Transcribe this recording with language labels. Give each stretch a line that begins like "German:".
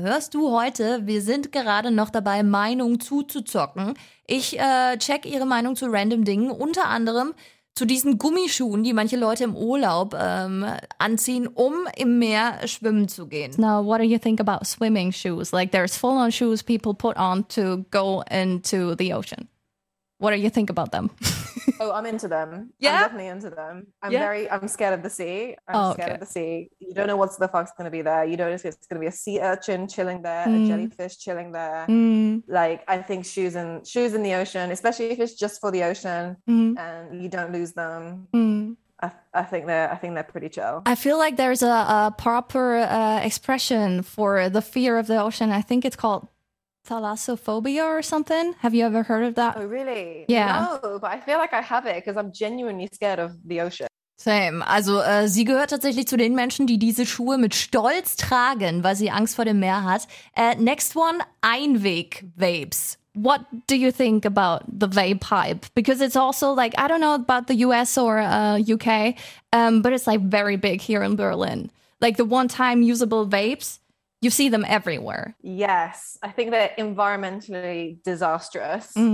German: Hörst du heute, wir sind gerade noch dabei, Meinung zuzuzocken. Ich check ihre Meinung zu random Dingen, unter anderem zu diesen Gummischuhen, die manche Leute im Urlaub anziehen, um im Meer schwimmen zu gehen.
English: Now, what do you think about swimming shoes? Like, there's full-on shoes people put on to go into the ocean. What do you think about them? Oh, I'm into them. Yeah. I'm definitely into them. I'm scared of the sea. You don't know what the fuck's going to be there. You don't know if it's going to be a sea urchin chilling there, a jellyfish chilling there. Like, I think shoes in the ocean, especially if it's just for the ocean and you don't lose them. I think they're pretty chill. I feel like there's a proper expression for the fear of the ocean. I think it's called thalassophobia or something. Have you ever heard of that? Oh, really? Yeah. No, but I feel like I have it because I'm genuinely scared of the ocean. Same.
German: Also sie gehört tatsächlich zu den Menschen, die diese Schuhe mit Stolz tragen, weil sie Angst vor dem Meer hat.
English: Next one, Einweg-Vapes. What do you think about the vape hype? Because it's also like, I don't know about the US or UK, but it's like very big here in Berlin. Like the one-time usable vapes. You see them everywhere. Yes. I think they're environmentally disastrous.